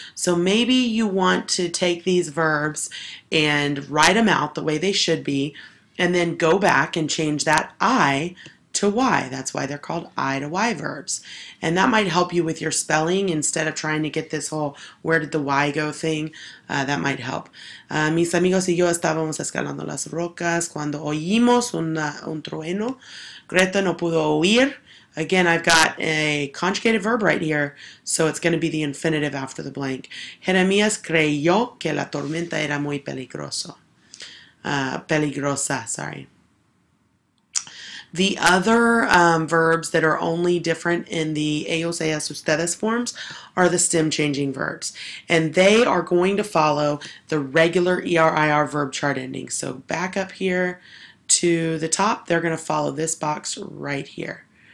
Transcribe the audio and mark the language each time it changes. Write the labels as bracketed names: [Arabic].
[English] So maybe you want to take these verbs and write them out the way they should be and then go back and change that I to Y. That's why they're called I to Y verbs. And that might help you with your spelling instead of trying to get this whole where did the Y go thing. That might help. [Spanish] Mis amigos y yo estábamos escalando las rocas cuando oímos un trueno. Greta no pudo oír. [English] Again, I've got a conjugated verb right here, so it's going to be the infinitive after the blank. [Spanish] Jeremías creyó que la tormenta era muy peligroso. Peligrosa, sorry. [English] The other verbs that are only different in the ellos, ellas, ustedes forms are the stem-changing verbs. And they are going to follow the regular ERIR verb chart ending. So back up here to the top, they're going to follow this box right here.